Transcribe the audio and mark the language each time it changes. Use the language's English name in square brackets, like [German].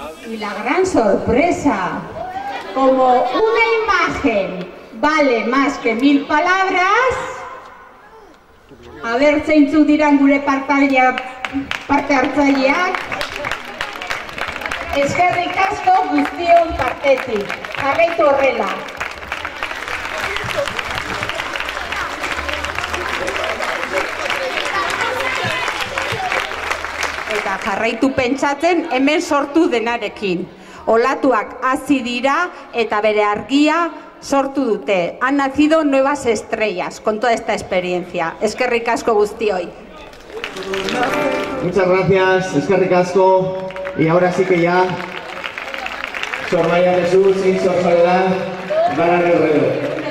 [Spanish] Y la gran sorpresa, como una imagen vale más que mil palabras. [Basque] A ver, zeintzuk diran gure parte hartzaileak. Eskerrik asko guztion partetik. Jarraitu horrela. Eta jarraitu pentsatzen hemen sortu denarekin. Olatuak hasi dira eta bere argia sortu dute. [Spanish] Han nacido nuevas estrellas con toda esta experiencia. [Basque] Eskerrik asko guztioi. [Spanish] Muchas gracias, [Basque] eskerrik asko. [Spanish] Y ahora sí que ya, Sor María Jesús y Sor Soledad van a reír.